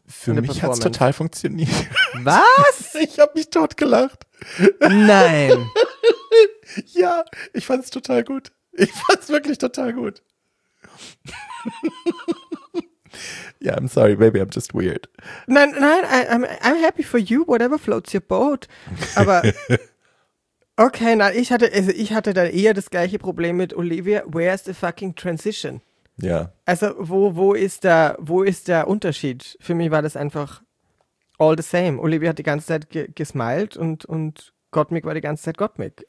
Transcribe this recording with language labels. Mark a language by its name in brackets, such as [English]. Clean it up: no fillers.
[German] Für mich hat's total funktioniert. Was? Ich hab mich totgelacht. Nein. Ja, ich fand's total gut. Ich fand's wirklich total gut. [English] Ja, I'm sorry, maybe I'm just weird. Nein, I'm happy for you, whatever floats your boat. [German] Aber, okay, nein, ich hatte dann eher das gleiche Problem mit Olivia, [English] where's the fucking transition? [German] Ja. Yeah. Also, wo ist der Unterschied? Für mich war das einfach [English] all the same. [German] Olivia hat die ganze Zeit gesmiled und Gottmik war die ganze Zeit Gottmik.